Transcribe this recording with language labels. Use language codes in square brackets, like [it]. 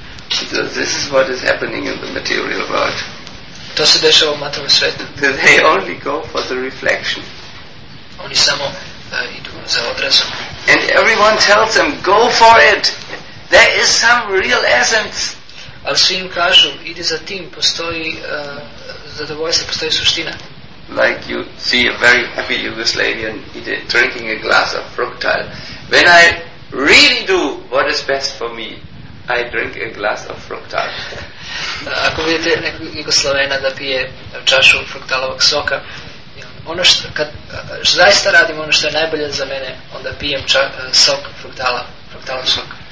[en] So this is what is happening in the material world. [sr] To se dešava u materijalnom svijetu. [en] They only go for the reflection. [sr] Oni samo idu za odrazom. [en] And everyone tells them, go for it. There is some real essence. [sr] Ali svi im kažu, idi za tim, postoji zadovoljstvo, postoji suština. [en] Like you see a very happy Yugoslavian drinking a glass of fructal. When I really do what is best for me, I drink a glass of fructal. [sr] Ako vidite nekog Jugoslovena da pije čašu fruktalovog soka, ono što zaista radim, ono što je najbolje za mene, onda pijem sok fruktala sok.